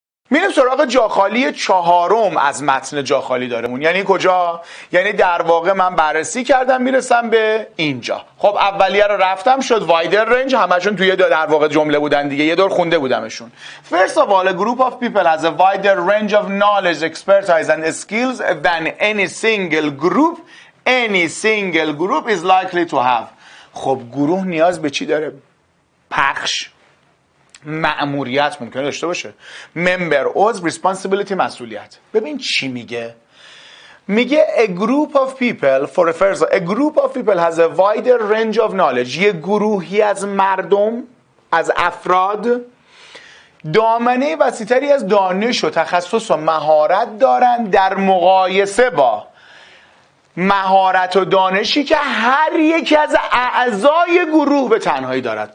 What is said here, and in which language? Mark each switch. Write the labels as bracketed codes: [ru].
[fa] میریم سراغ جاخالی چهارم از متن جاخالی دارمون. یعنی کجا؟ یعنی در واقع من بررسی کردم میرسم به اینجا. خب اولیه رو رفتم شد [en] wider range, [fa] همشون توی در واقع جمله بودن دیگه، یه دور خونده بودمشون. [en] First of all, a group of people has a wider range of knowledge, expertise and skills than any single group. Any single group is likely to have. [fa] خب گروه نیاز به چی داره؟ پخش، مأموریت ممکنه داشته باشه. [en] Member of responsibility، مسئولیت. [fa] ببین چی میگه. میگه [en] a group of people for affairs. A group of people has a wider range of knowledge. [fa] یه گروهی از مردم، از افراد، دامنه وسیع‌تری از دانش و تخصص و مهارت دارن در مقایسه با مهارت و دانشی که هر یک از اعضای گروه به تنهایی دارد.